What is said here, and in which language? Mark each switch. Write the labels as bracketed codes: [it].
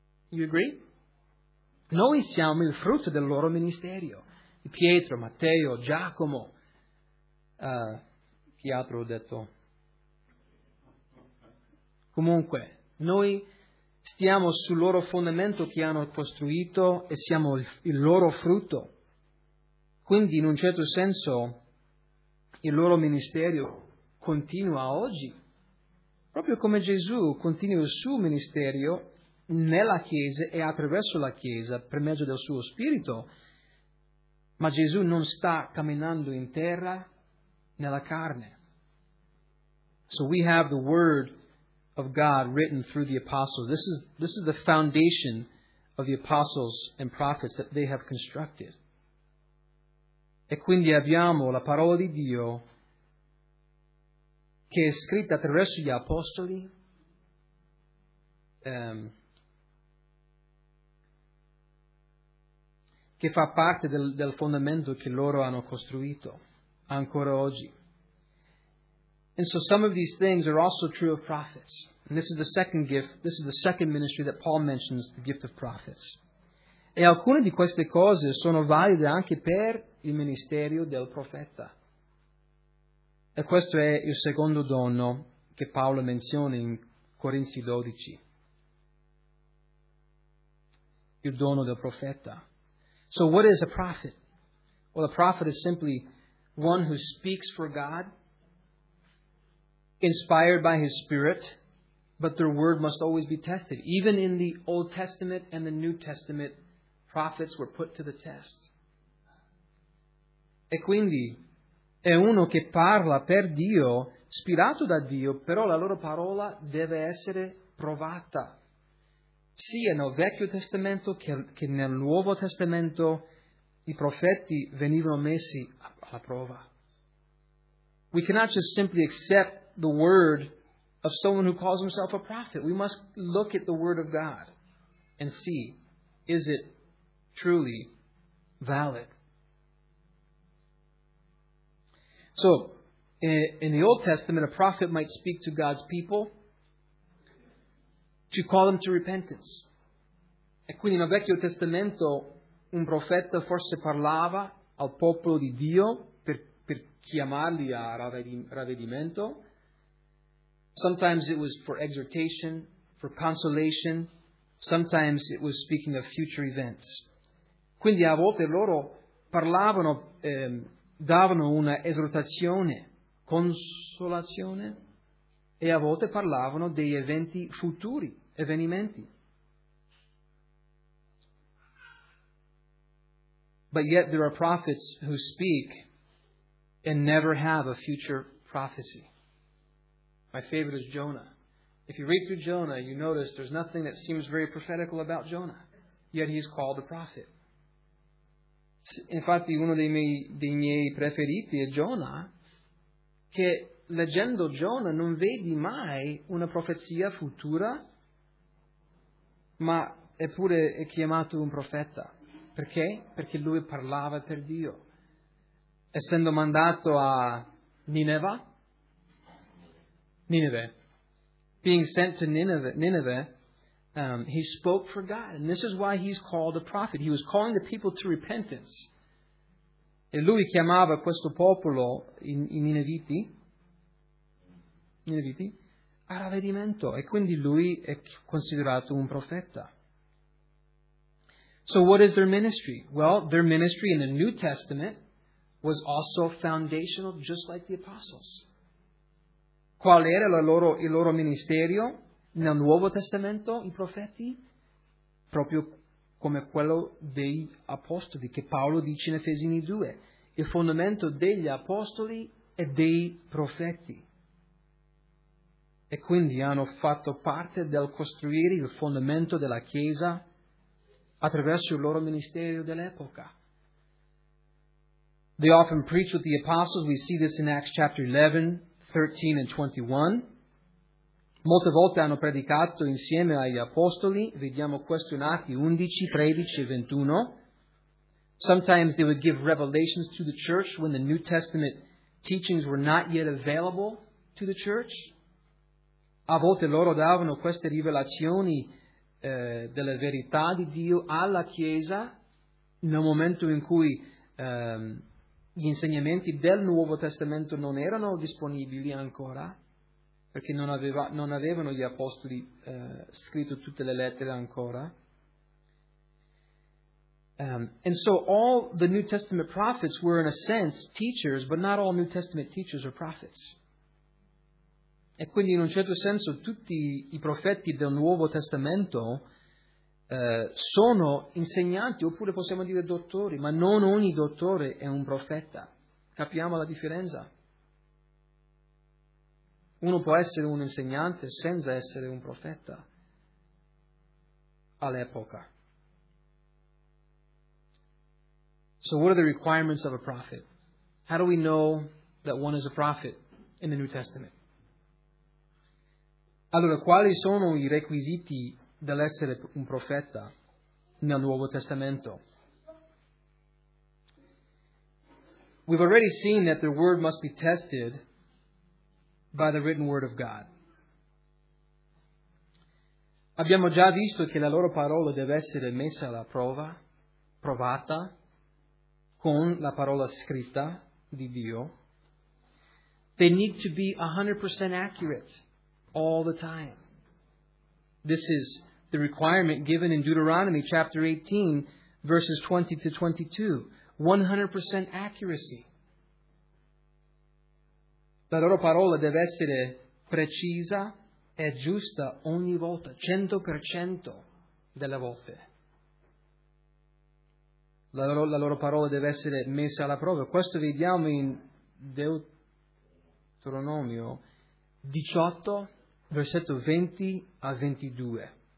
[en] You agree? [it] Noi siamo il frutto del loro ministerio. Pietro, Matteo, Giacomo. Chi altro ho detto? Comunque, noi stiamo sul loro fondamento che hanno costruito e siamo il loro frutto. Quindi, in un certo senso, il loro ministerio continua oggi. Proprio come Gesù continua il suo ministerio nella Chiesa e attraverso la Chiesa, per mezzo del suo Spirito. Ma Gesù non sta camminando in terra nella carne. [en] So we have the word of God written through the apostles. This is the foundation of the apostles and prophets that they have constructed. [it] E quindi abbiamo la parola di Dio che è scritta attraverso gli apostoli. Che fa parte del fondamento che loro hanno costruito ancora oggi. [en] And so some of these things are also true of prophets. And this is the second gift, this is the second ministry that Paul mentions, the gift of prophets. [it] E alcune di queste cose sono valide anche per il ministerio del profeta. E questo è il secondo dono che Paolo menziona in Corinzi 12. Il dono del profeta. [en] So what is a prophet? Well, a prophet is simply one who speaks for God, inspired by his spirit, but their word must always be tested. Even in the Old Testament and the New Testament, prophets were put to the test. [it] E quindi è uno che parla per Dio, ispirato da Dio, però la loro parola deve essere provata. sia nel Vecchio Testamento che nel Nuovo Testamento i profeti venivano messi alla prova. [en] We cannot just simply accept the word of someone who calls himself a prophet. We must look at the word of God and see, is it truly valid? So, in the Old Testament, a prophet might speak to God's people to call them to repentance. [it] E quindi nel Vecchio Testamento un profeta forse parlava al popolo di Dio per chiamarli a ravvedimento. [en] Sometimes it was for exhortation, for consolation. Sometimes it was speaking of future events. [it] Quindi a volte loro parlavano, davano una esortazione, consolazione, e a volte parlavano dei eventi futuri, avvenimenti. [en] But yet there are prophets who speak and never have a future prophecy. My favorite is Jonah. If you read through Jonah, you notice there's nothing that seems very prophetical about Jonah. Yet he's called a prophet. [it] Infatti, uno dei miei preferiti è Jonah, che leggendo Jonah non vedi mai una profezia futura, ma eppure è chiamato un profeta. Perché? Perché lui parlava per Dio. Essendo mandato a Nineveh, [en] being sent to Nineveh, he spoke for God. And this is why he's called a prophet. He was calling the people to repentance. [it] E lui chiamava questo popolo, i Nineviti, a ravvedimento. E quindi lui è considerato un profeta. [en] So what is their ministry? Well, their ministry in the New Testament was also foundational, just like the apostles. [it] Qual era il loro ministerio nel Nuovo Testamento, i profeti? Proprio come quello dei apostoli, che Paolo dice in Efesini 2. Il fondamento degli apostoli e dei profeti. E quindi hanno fatto parte del costruire il fondamento della Chiesa attraverso il loro ministerio dell'epoca. [en] They often preach with the apostles. We see this in Acts chapter 11, 13 and 21. [it] Molte volte hanno predicato insieme agli apostoli. Vediamo questo in Atti 11, 13 e 21. [en] Sometimes they would give revelations to the church when the New Testament teachings were not yet available to the church. [it] A volte loro davano queste rivelazioni della verità di Dio alla Chiesa nel momento in cui gli insegnamenti del Nuovo Testamento non erano disponibili ancora, perché non avevano gli apostoli scritto tutte le lettere ancora. [en] And so all the New Testament prophets were in a sense teachers, but not all New Testament teachers are prophets. [it] E quindi in un certo senso tutti i profeti del Nuovo Testamento sono insegnanti, oppure possiamo dire dottori, ma non ogni dottore è un profeta. Capiamo la differenza? Uno può essere un insegnante senza essere un profeta all'epoca. [en] So what are the requirements of a prophet? How do we know that one is a prophet in the New Testament? [it] Allora, quali sono i requisiti dell'essere un profeta nel Nuovo Testamento? [en] We've already seen that their word must be tested by the written word of God. [it] Abbiamo già visto che la loro parola deve essere messa alla prova, provata, con la parola scritta di Dio. [en] They need to be 100% accurate all the time. This is the requirement given in Deuteronomy chapter 18, verses 20 to 22. 100% accuracy. [it] La loro parola deve essere precisa e giusta ogni volta, 100% delle volte. La loro parola deve essere messa alla prova. Questo vediamo in Deuteronomio 18, versetto 20 a 22.